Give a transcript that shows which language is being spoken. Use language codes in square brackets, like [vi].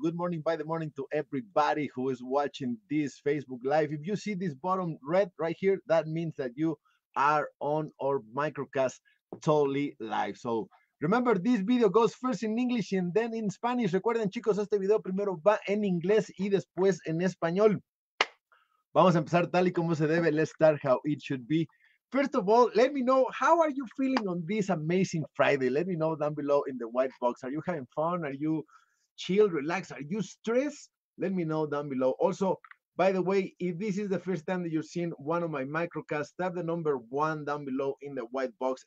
[en] Good morning by the morning to everybody who is watching this Facebook Live. If you see this bottom red right here, that means that you are on our microcast totally live. So remember, this video goes first in English and then in Spanish. [es] Recuerden, chicos, este video primero va en inglés y después en español. Vamos a empezar tal y como se debe. [en] Let's start how it should be. First of all, let me know, how are you feeling on this amazing Friday? Let me know down below in the white box. Are you having fun? Are you chill, relaxed? Are you stressed? Let me know down below. Also, by the way, if this is the first time that you're seeing one of my microcasts, tap the number one down below in the white box.